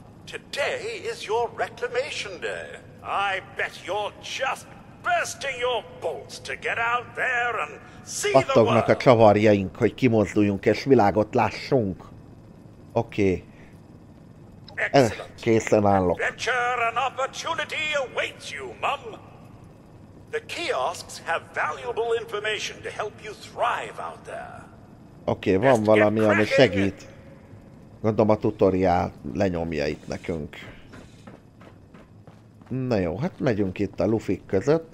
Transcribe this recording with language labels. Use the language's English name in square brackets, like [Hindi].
[English] Today is your reclamation day. I bet you're just bursting your bolts to get out there and see the world. [Hungarian] A csavarjaink, hogy kimozduljunk és világot lássunk. Oké. [English] Okay. [Hungarian] Készen állok. [English] Adventure and opportunity awaits you, mum. The kiosks have valuable information to help you thrive out there. [Hungarian] Oké, okay, van valami, ami segít. Gondolom a tutoriál lenyomja itt nekünk. Na jó, hát megyünk itt a Luffy-k között.